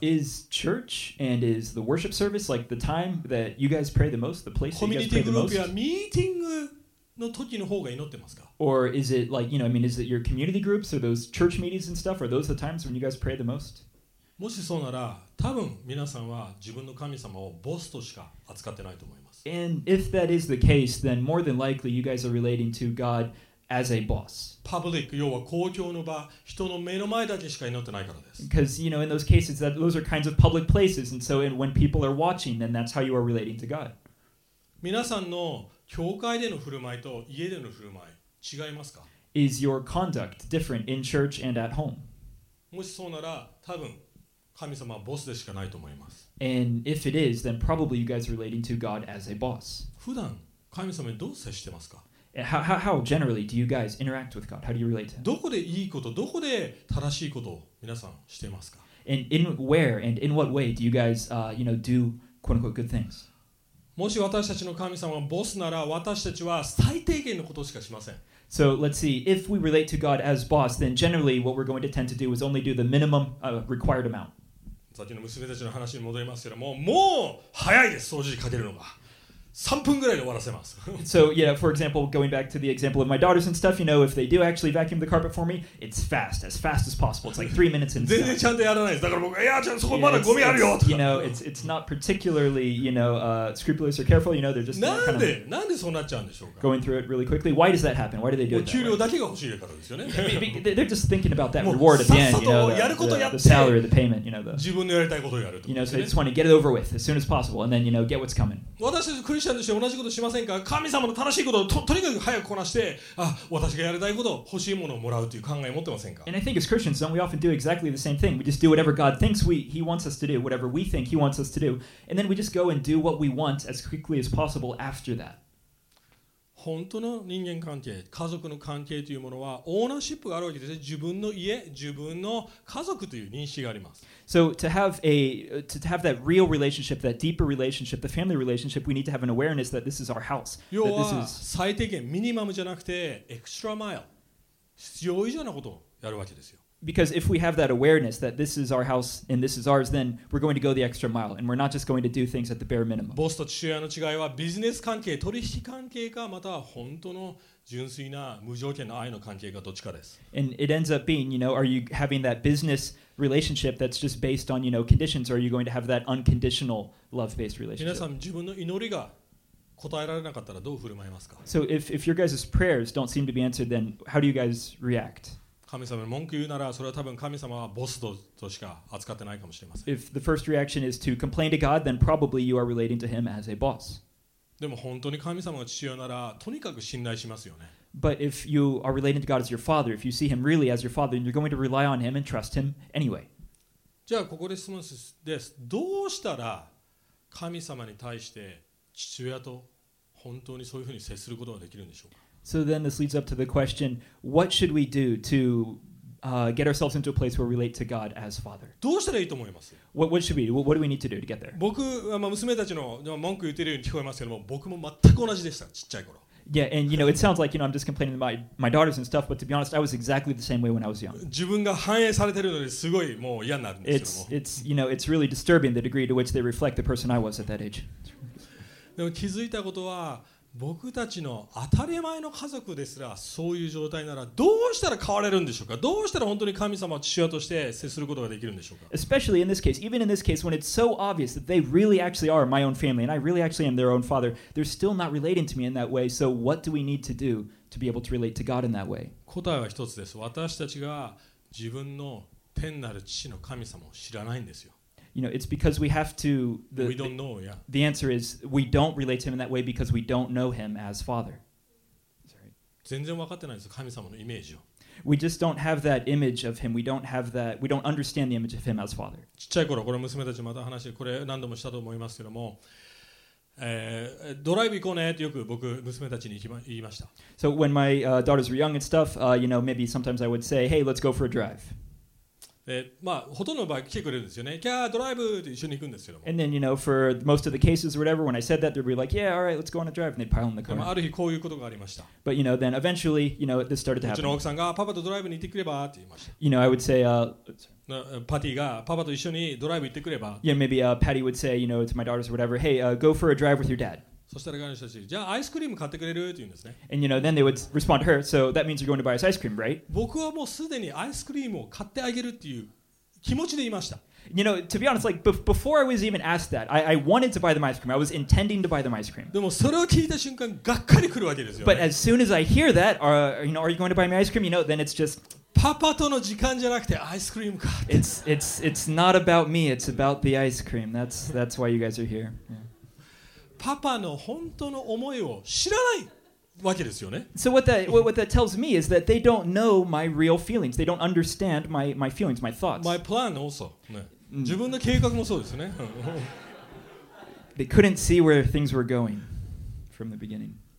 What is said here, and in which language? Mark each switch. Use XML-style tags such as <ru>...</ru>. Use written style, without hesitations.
<en>Is church and is the worship service like the time that you guys pray the most, the place you guys pray the most?</en> <ja>コミュニティグループやミーティングの時の方が祈ってますか?</ja> <en>Or is it like, you know, I mean, is it your community groups or those church meetings and stuff? Are those the times when you guys pray the most?</en> <ja>もしそうなら、多分皆さんは自分の神様をボスとしか扱ってないと思います。</ja> <en>And if that is the case, then more than likely you guys are relating to God as a boss. Public,</en> <ja>要は公共の場、人の目の前だけしか祈ってないからです。</ja> <en>Because, you know, in those cases, that those are kinds of public places. And so and when people are watching, then that's how you are relating to God.</en> <ja>皆さんの教会での振る舞いと家での振る舞い、違いますか?</ja> <en>Is your conduct different in church and at home?</en> <ja>もしそうなら、多分神様はボスでしかないと思います。</ja> <en>And if it is, then probably you guys are relating to God as a boss.</en> <ja>普段神様にどう接してますか?</ja> <en>How generally do you guys interact with God? How do you relate to him?</en> <ja>どこでいいこと、どこで正しいことを皆さんしてますか?</ja> <en>And in where and in what way do you guys, you know, do quote unquote good things?</en> <ja>もし私たちの神様がボスなら私たちは最低限のことしかしません。</ja> <en>So let's see, if we relate to God as boss, then generally what we're going to tend to do is only do the minimum, required amount.</en> <ja>さっきの娘たちの話に戻りますけども、もう早いです、掃除機かけるのが。 3分ぐらいで終わらせます。</ja> <en>So yeah, for example, going back to the example of my daughters and stuff, you know, if they do actually vacuum the carpet for me, it's fast as possible. It's like 3 minutes and stuff.</en> <ja>全然ちゃんとやらないです。だから僕、いやちゃんそこまだゴミあるよ。</ja> <en>You know, it's not particularly, you know, scripulous or careful. You know, they're just</en> <ja>なんでそうなっちゃうんでしょうか。</ja> <en>Going through it really quickly. Why does that happen? Why do they do that?</en> <ja>給料だけが欲しいからですよね。</ja> <en>They're just thinking about that reward at the end. You know, the salary, the payment. You know, the</en> <ja>自分のやりたいことをやる。</ja> <en>You know, so they just want to get it over with as soon as possible, and then you know, get what's coming.</en> <ja>私はクリスチャンとして同じことしませんか。神様の正しいことを とにかく早くこなして、あ、私がやりたいこと、欲しいものをもらうという考えを持ってませんか。</ja> <en>And I think as Christians, don't we often do exactly the same thing? We just do whatever God thinks He wants us to do, whatever we think He wants us to do, and then we just go and do what we want as quickly as possible after that.</en> <ja>本当の人間関係、家族の関係というものはオーナーシップがあるわけですね。自分の家、自分の家族という認識があります。</ja> <en>So to have that real relationship, that deeper relationship, the family relationship, we need to have an awareness that this is our house.</en> <ja>要は最低限、ミニマムじゃなくて、</ja> <en>extra mile、</en> <ja>必要以上なことをやるわけですよ。</ja> <en>Because if we have that awareness that this is our house and this is ours, then we're going to go the extra mile and we're not just going to do things at the bare minimum.</en> <ja>ボスと父親の違いはビジネス関係、取引関係か、または本当の純粋な無条件の愛の関係かどっちかです。</ja> <en>And it ends up being, you know, are you having that business relationship that's just based on, you know, conditions, or are you going to have that unconditional love-based relationship?</en> <ja>皆さん、自分の祈りが答えられなかったらどう振る舞いますか?</ja> <en>So if your guys' prayers don't seem to be answered, then how do you guys react?</en> <ja>神様に文句言うならそれは多分神様はボス としか扱ってないかもしれません。</ja> <en>If the first reaction is to complain to God, then probably you are relating to him as a boss.</en> <ja>でも本当に神様が父親ならとにかく信頼しますよね。</ja> <en>But if you are relating to God as your father, if you see him really as your father, then you're going to rely on him and trust him anyway.</en> <ja>じゃあここで質問です。どうしたら神様に対して父親と本当にそういうふうに接することができるんでしょうか。</ja> <en>So then this leads up to the question, what should we do to get ourselves into a place where we relate to God as Father?</en> <ja>どうしたらいいと思います?</ja> <en>What should we do? What do we need to do to get there?</en> <ja>僕、まあ、娘たちの文句言ってるように聞こえますけども、僕も全く同じでした、ちっちゃい頃。</ja> <en>Yeah, and you know, it sounds like, you know, I'm just complaining to my daughters and stuff, but to be honest, I was exactly the same way when I was young.</en> <ja>自分が反映されてるのですごいもう嫌になるんですけども。</ja> <en>It's, you know, it's really disturbing the degree to which they reflect the person I was at that age.</en> <ja>でも気づいたことは、僕たちの当たり前の家族ですらそういう状態ならどうしたら変われるんでしょうか。どうしたら本当に神様を父親として接することができるんでしょうか。</ja> <en>Especially in this case, even in this case, when it's so obvious that they really actually are my own family and I really actually am their own father, they're still not relating to me in that way. So what do we need to do to be able to relate to God in that way?</en> <ja>答えは一つです。私たちが自分の天なる父の神様を知らないんですよ。</ja> <en>You know, it's because we have to. We don't know, yeah. The answer is we don't relate to him in that way because we don't know him as Father. Sorry.</en> <ja>全然分かってないです。神様のイメージを。</ja> <en>We just don't have that image of him. We don't understand the image of him as Father.</en> <ja>ちっちゃい頃、これ娘たちまた話して、これ何度もしたと思いますけども、ドライブ行こうねってよく僕娘たちに言いました。</ja> <en>So when my daughters were young and stuff, you know, maybe sometimes I would say, "Hey, let's go for a drive."</en> <ja>まあ、ほとんどの場合来てくれるんですよね。キャードライブって一緒に行くんですけども。</ja> <en>And then, you know, for most of the cases or whatever, when I said that, they'd be like, yeah, all right, let's go on a drive. And they'd pile in the car.</en> <ja>でもある日こういうことがありました。</ja> <en>But, you know, then eventually, you know, this started to happen.</en> <ja>うちの奥さんがパパとドライブに行ってくればって言いました。</ja> <en>You know, I would say,</en> <ja>パティがパパと一緒にドライブ行ってくれば。</ja> <en>Yeah, maybe, Patty would say, you know, to my daughters or whatever, hey, go for a drive with your dad.</en> <ja>そしたら彼女たち、じゃあアイスクリーム買ってくれるって言うんですね。</ja> <en>And you know, then they would respond to her, so that means you're going to buy us ice cream, right?</en> <ja>僕はもうすでにアイスクリームを買ってあげるっていう気持ちでいました。</ja> <en>You know, to be honest, like before I was even asked that, I wanted to buy them ice cream. I was intending to buy them ice cream.</en> <ja>でもそれを聞いた瞬間、がっかり来るわけですよ、ね。</ja> <en>But as soon as I hear that, you know, are you going to buy me ice cream? You know, then it's just</en> <ja>パパとの時間じゃなくてアイスクリームか。</ja> <en>It's not about me. It's about the ice cream. That's why you guys are here.、 Yeah.</en> <ja>パパの本当の思いを知らない。わけですよね、</ja> <en>so what that tells me is that they don't know my real feelings. They don't understand my feelings, my thoughts. My plan also.、</en> <ja>ね、自分の計画もそうですね。</ja> <en>They couldn't see where things were going from the beginning.</en>